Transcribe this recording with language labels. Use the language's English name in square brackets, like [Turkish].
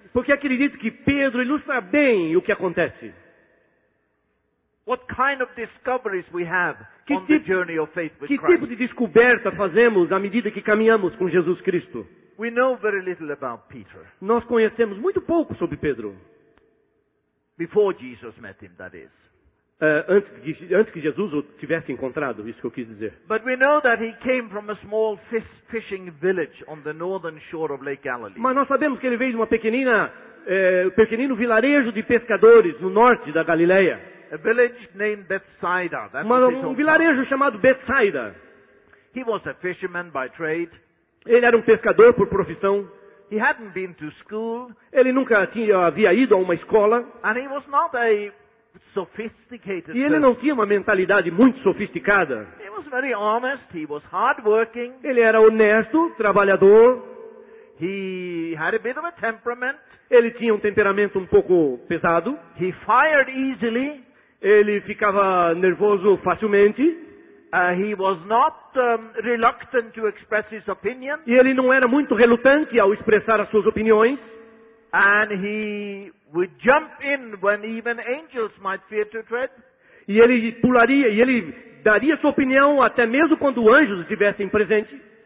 [Portuguese] Porque acredito que Pedro ilustra bem o que acontece. [English] What kind of discoveries we have on the journey of faith with [Portuguese] Christ? Que tipo de descoberta fazemos à medida que caminhamos com Jesus Cristo? [English] We know very little about Peter. [Portuguese] Nós conhecemos muito pouco sobre Pedro. [English] Before Jesus met him, that is. [Portuguese] Antes que Jesus o tivesse encontrado, isso que eu quis dizer. [English] But we know that he came from a small fishing village on the northern shore of Lake Galilee. [Portuguese] Mas nós sabemos que ele veio de uma pequenino vilarejo de pescadores no norte da Galileia. [English] A village named Bethsaida. [Portuguese] Um vilarejo chamado Bethsaida. [English] He was a fisherman by trade. [Portuguese] Ele era um pescador por profissão. [English] He hadn't been to school. [Portuguese] Ele nunca havia ido a uma escola. [English] And he was not a sophisticated [Portuguese] E ele não tinha uma mentalidade muito sofisticada. [English] He was very honest. He was hardworking. [Portuguese] Ele era honesto, trabalhador. [English] He had a bit of a temperament. [Portuguese] Ele tinha um temperamento um pouco pesado. [English] He fired easily. [Portuguese] Ele ficava nervoso facilmente. [English] He was not reluctant to express his opinion. [Portuguese] E ele não era muito relutante ao expressar as suas opiniões. [English] And he would jump in when even angels might fear to tread. [Portuguese] E ele pularia e ele daria sua opinião até mesmo quando anjos estivessem presentes.